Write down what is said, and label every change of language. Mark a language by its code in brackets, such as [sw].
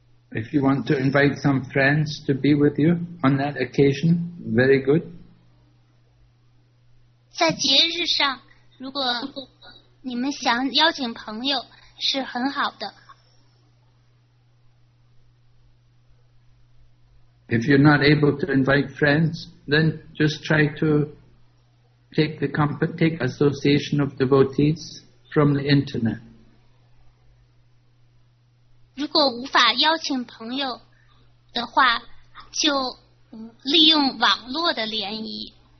[en] If you want to invite some friends to be with you on that occasion, very good. [zh] 在节日上，如果你们想邀请朋友，是很好的。 [en] If you're not able to invite friends, then just try to take the take association of devotees from the internet. [zh] 如果无法邀请朋友的话，就利用网络的联谊。